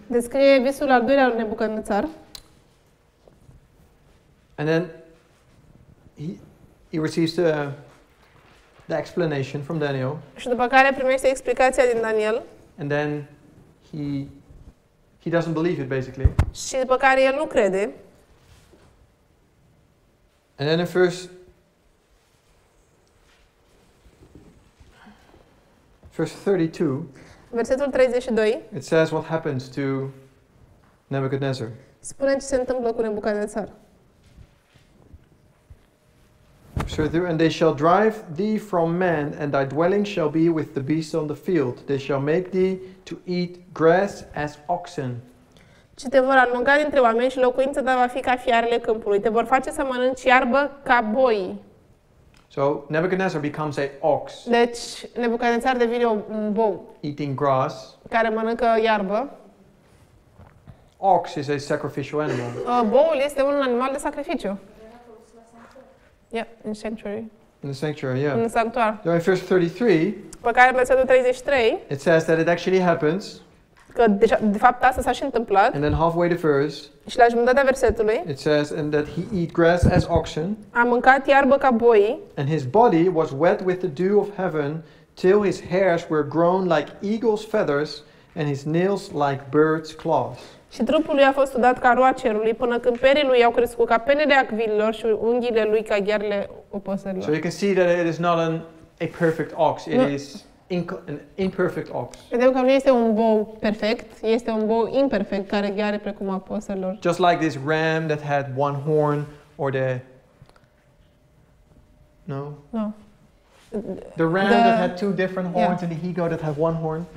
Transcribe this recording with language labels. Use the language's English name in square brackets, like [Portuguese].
[Romanian] Descrie visul al doilea lui Nebucadnețar. [English] And then he receives the explanation from Daniel. [Romanian] Și după care primește explicația din Daniel. [English] And then he doesn't believe it basically. [Romanian] Și după care el nu crede. [English] And then in verse 32. [Romanian] Versetul 32. [English] It says what happens to Nebuchadnezzar. [Romanian] Spune ce se întâmplă cu Nebucadnețar. [English] So there, and they shall drive thee from men, and thy dwelling shall be with the beasts on the field. They shall make thee to eat grass as oxen. [Romanian] Și te vor alunga dintre oameni și locuința ta va fi ca fiarele câmpului. Te vor face să mănânci iarbă ca boi. [English] So Nebuchadnezzar becomes a ox. [Romanian] Deci Nebucadnezar devine un bou. [English] Eating grass. [Romanian] Care mănâncă iarbă. [English] Ox is a sacrificial animal. [Romanian] Boul este un animal de sacrificiu. [English] Yeah, in sanctuary. In the sanctuary, yeah. [Romanian] În sanctuar. [English] So in verse 33. [Romanian] Pe care versetul 33. [English] It says that it actually happens. [Romanian] Că de fapt asta s-a și întâmplat. [English] And then halfway the verse. [Romanian] Și la jumătatea versetului. [English] It says and that he eat grass as oxen. [Romanian] A mâncat iarbă ca boi. [English] And his body was wet with the dew of heaven till his hairs were grown like eagle's feathers and his nails like bird's claws. [Romanian] Și trupul lui a fost udat ca roa cerului până când perii lui au crescut ca penele acvililor și unghiile lui ca ghearele opăsărilor. [English] So you can see that it is not a perfect ox. It is an imperfect ox. [Romanian] Vedem că nu este un bou perfect, este un bou imperfect care ghiare precum opăsărilor. [English] Just like this ram that had one horn or the... No? No. The ram that had two different horns, yeah. And the he-goat that had one horn.